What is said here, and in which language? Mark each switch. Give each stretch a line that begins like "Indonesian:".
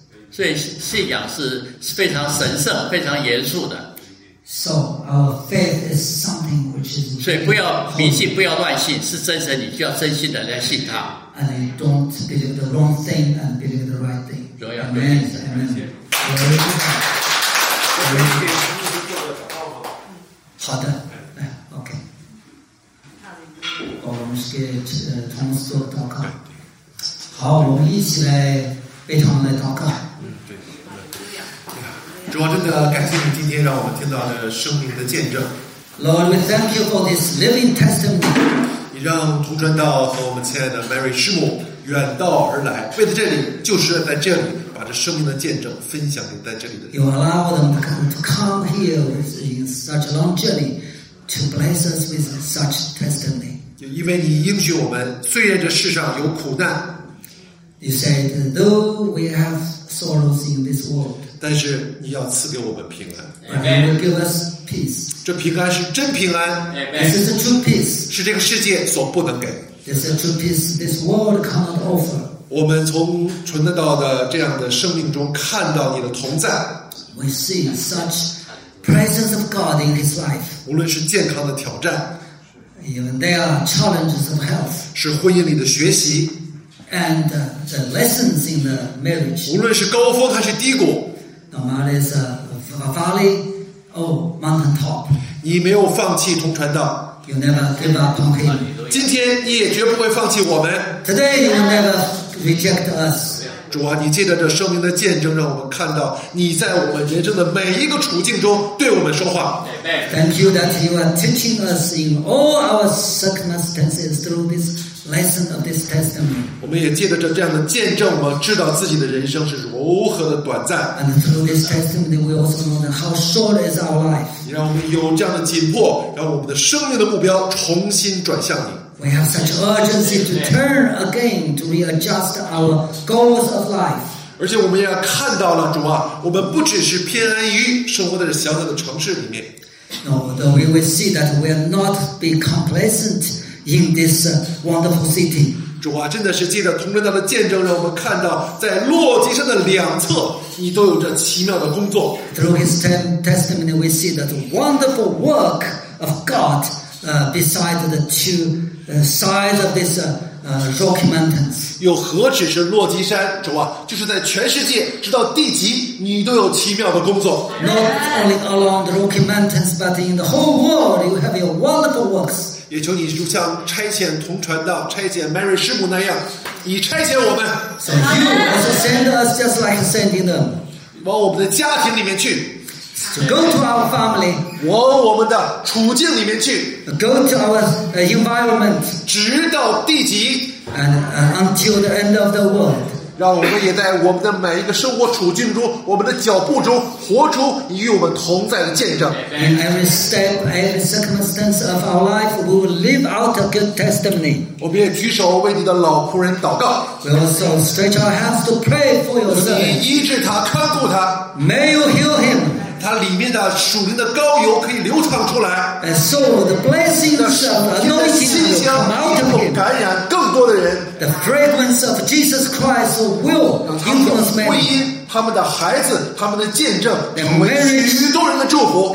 Chinese: 所以信仰是非常神圣非常严肃的。
English: So our faith is something which is.
Chinese: 所以不要迷信，不要乱信，是真神，你就要真心的来信他。
English: And I don't believe the wrong thing and believe the right thing. Amen. Amen.
Chinese: 好的，来 ，OK。我们是同时做祷告。好，我们一起来为他们来祷告。主啊，真的感谢你今天让我们听到的生命的见证。
English: Lord, we thank you for this living testimony.
Chinese: 你让涂传道和我们亲爱的 Mary 师母远道而来，为了这里，就是在这里把这生命的见证分享给在这里的。
English: You allow them to come here with such a long journey to bless us with such testimony.
Chinese: 就因为你应许我们，虽然这世上有苦难
English: ，You said though we have sorrows in this world.
Chinese: 但是你要赐给我们平安。
English: Amen. You give us peace.
Chinese: 这平安是真平安。
English: Amen. This is a true peace.
Chinese: 是这个世界所不能给。
English: This is a true peace. This world cannot offer.
Chinese: 我们从纯得到的这样的生命中看到你的同在。
English: We see such presence of God in His life.
Chinese: 无论是健康的挑战
English: ，Even there are challenges of health.
Chinese: 是婚姻里的学习
English: ，And the lessons in the marriage.
Chinese: 无论是高峰还是低谷。
English: No matter is a valley or mountain top.
Chinese: 你没有放弃同传道。
English: You never give up on him.
Chinese: 今天你也绝不会放弃我们。
English: Today you will never reject us.
Chinese: 主啊，你借着这生命的见证，让我们看到你在我们人生的每一个处境中对我们说话。
English: Thank you that you are teaching us in all our circumstances through this lesson of this testimony.
Chinese: 我们也借着这样的见证，我们知道自己的人生是如何的短暂。
English: And through this testimony, we also know how short is our life.
Chinese: 让我们有这样的紧迫，让我们的生命的目标重新转向你。
English: We have such urgency to turn again to readjust our goals of life.
Chinese: 而且我们也看到了主啊，我们不只是偏安于生活在小小的城市里面。
English: No, though we will see that we are not be complacent in this wonderful city.
Chinese: 主啊，真的是借着同真道的见证，让我们看到在洛基山的两侧，你都有着奇妙的工作。
English: Through his testimony, we see that wonderful work of God, beside the two sides of this Rocky Mountains.
Chinese: 又何止是洛基山，主啊，就是在全世界，直到地极，你都有奇妙的工作。
English: Not only along the Rocky Mountains, but in the whole world, you have your wonderful works.
Chinese: 也求你就像差遣同传道、差遣 Mary 师母那样，你差遣我们。
English: So you also send us just like sending them.
Chinese: 往我们的家庭里面去。
English: So、go to our family.
Chinese: 往我们的处境里面去。
English: Go to our environment.
Chinese: 直到地极。
English: And until the end of the world.
Chinese: 让我们也在我们的每一个生活处境中，我们的脚步中，活出你与我们同在的见证。
English: In every step, every circumstance of our life, we will live out a good testimony.
Chinese: 我们也举手为你的老仆人祷告。
English: We also stretch our hands to pray for your servant.
Chinese: 你医治他，看顾他。
English: May you heal him.
Chinese: 它里面的属灵的膏油可以流淌出来，那属灵的馨香能够感染更多的人。
English: The fragrance of Jesus Christ will influence many.
Chinese: 他们的婚姻、他们的孩子、他们的见证，成为许多人的祝福。